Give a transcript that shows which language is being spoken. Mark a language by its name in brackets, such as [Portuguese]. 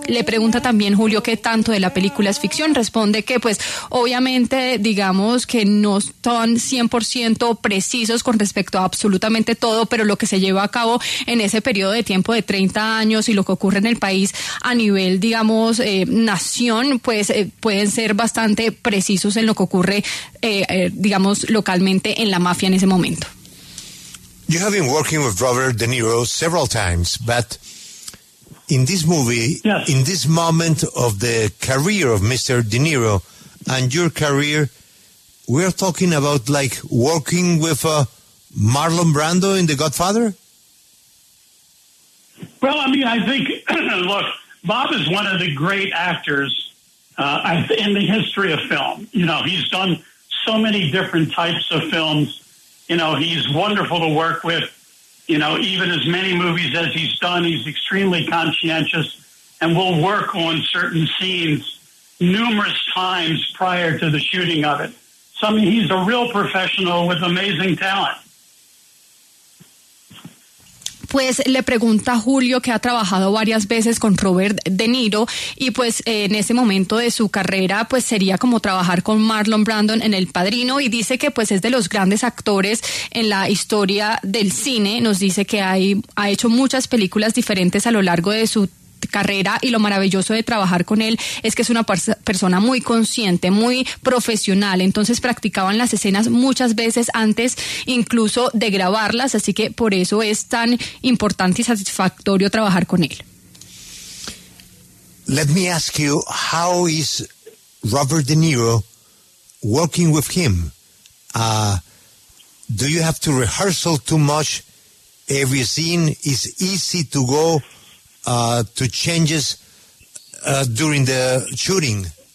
[Spanish] Le pregunta también Julio qué tanto de la película es ficción. Responde que pues obviamente digamos que no son 100% precisos con respecto a absolutamente todo, pero lo que se lleva a cabo en ese periodo de tiempo de 30 años y lo que ocurre en el país a nivel, digamos, nación, pues pueden ser bastante precisos en lo que ocurre, digamos, localmente en la mafia en ese momento. [English] You have been working with Robert De Niro several times, but in this movie, yes, in this moment of the career of Mr. De Niro and your career, we're talking about like working with Marlon Brando in The Godfather? Well, I mean, I think, look, Bob is one of the great actors in the history of film. You know, he's done so many different types of films. You know, he's wonderful to work with. You know, even as many movies as he's done, he's extremely conscientious and will work on certain scenes numerous times prior to the shooting of it. So, I mean, he's a real professional with amazing talent. [Spanish] Pues le pregunta Julio que ha trabajado varias veces con Robert De Niro y pues en ese momento de su carrera pues sería como trabajar con Marlon Brando en El Padrino y dice que pues es de los grandes actores en la historia del cine. Nos dice que ha hecho muchas películas diferentes a lo largo de su carrera y lo maravilloso de trabajar con él es que es una persona muy consciente, muy profesional, entonces practicaban las escenas muchas veces antes incluso de grabarlas, así que por eso es tan importante y satisfactorio trabajar con él. [English] Let me ask you, how is Robert De Niro working with him? Do you have to rehearsal too much? Every scene is easy to go to changes during the shooting?